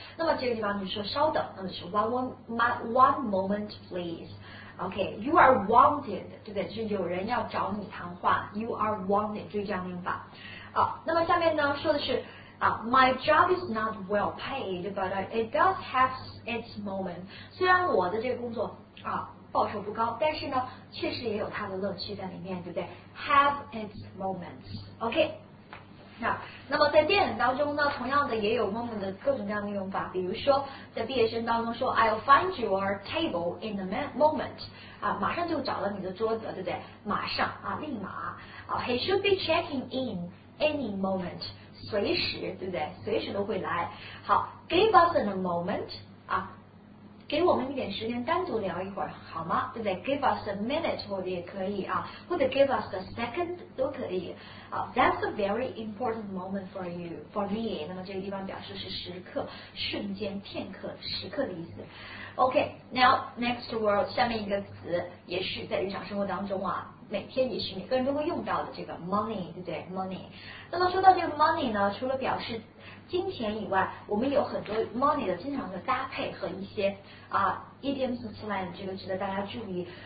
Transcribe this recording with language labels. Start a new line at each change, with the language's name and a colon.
Chinese: 那么这个地方你说稍等，那么是
English: one moment please。
Chinese: OK，
English: you are wanted，
Chinese: 对不对？就是有人要找你谈话 ，you are wanted， 注意这样的用法。好，那么下面呢说的是啊
English: ，My job is not well paid， but it does have its moment。
Chinese: 虽然我的这个工作啊报酬不高，但是呢确实也有它的乐趣在里面，对不对？
English: Have its moments,
Chinese: OK。 那么在电影当中呢，同样的也有 moment 的各种各样的用法，比如说在毕业生当中说
English: I'll find your table in a moment，
Chinese: 啊，马上就找到你的桌子，对不对？马上啊，立马啊 ，
English: He should be checking in any moment，
Chinese: 随时，对不对？随时都会来。
English: 好 ，Give us a moment， 啊。
Chinese: 给我们一点时间单独聊一会儿好吗？对不对 ？
English: Give us a minute
Chinese: 或者也可以啊，或者
English: give us a second
Chinese: 都可以。
English: That's a very important moment for you, for me。
Chinese: 那么这个地方表示是时刻、瞬间、片刻、时刻的意思。
English: OK, now next word
Chinese: 下面一个词也是在日常生活当中啊，每天也是每个人都会用到的这个 money， 对不对 ？Money。那么说到这个 money 呢，除了表示金钱以外，我们有很多 money 的经常的搭配和一些啊 idioms slang， 这个值得大家注意。